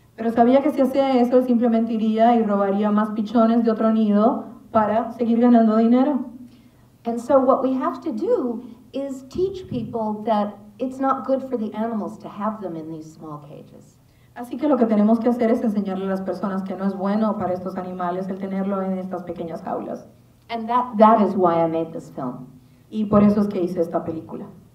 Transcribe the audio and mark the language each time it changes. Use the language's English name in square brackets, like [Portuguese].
[Spanish] Pero sabía que si hacía eso, él simplemente iría y robaría más pichones de otro nido para seguir ganando dinero. [English] And so what we have to do is teach people that it's not good for the animals to have them in these small cages. [Spanish] Así que lo que tenemos que hacer es enseñarle a las personas que no es bueno para estos animales el tenerlo en estas pequeñas jaulas. [English] And that is why I made this film. [Spanish] Y por eso es que hice esta película.